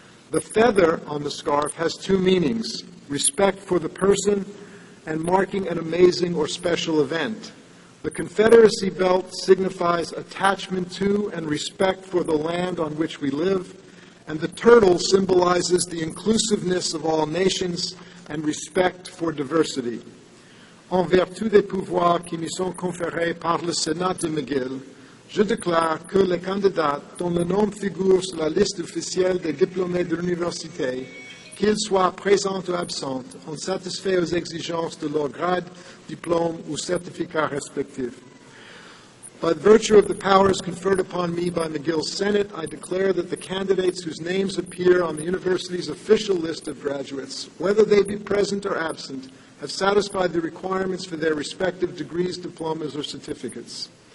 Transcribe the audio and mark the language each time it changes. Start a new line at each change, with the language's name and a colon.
English: The feather on the scarf has two meanings, respect for the person and marking an amazing or special event. The Confederacy belt signifies attachment to and respect for the land on which we live, and the turtle symbolizes the inclusiveness of all nations and respect for diversity.
French: En vertu des pouvoirs qui me sont conférés par le Sénat de McGill, je déclare que les candidats dont le nom figure sur la liste officielle des diplômés de l'université, qu'ils soient présents ou absents, ont satisfait aux exigences de leur grade, diplôme ou certificat respectif.
English: By virtue of the powers conferred upon me by McGill Senate, I declare that the candidates whose names appear on the university's official list of graduates, whether they be present or absent, have satisfied the requirements for their respective degrees, diplomas, or certificates.